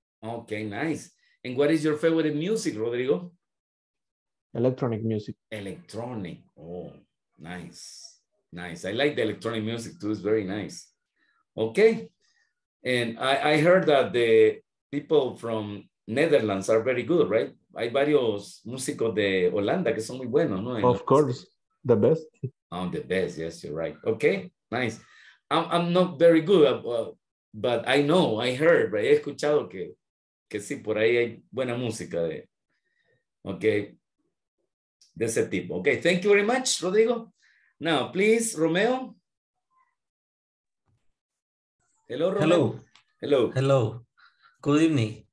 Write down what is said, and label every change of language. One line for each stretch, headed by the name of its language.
English: Okay, nice. And what is your favorite music, Rodrigo? Electronic music. Electronic. Oh, nice. Nice. I like the electronic music too. It's very nice. Okay. And I heard that the people from Netherlands are very good, right?
Spanish: Hay varios músicos de Holanda que son muy buenos, ¿no?
English: Of course, the best. Oh, the best, yes, you're right. Okay, nice. I'm not very good, but I know, I heard, right?
Spanish: He escuchado que sí, por ahí hay buena música de, okay, de ese tipo.
English: Okay, thank you very much, Rodrigo. Now, please, Romeo. Hello, Romeo. Hello. Hello. Hello. Good evening.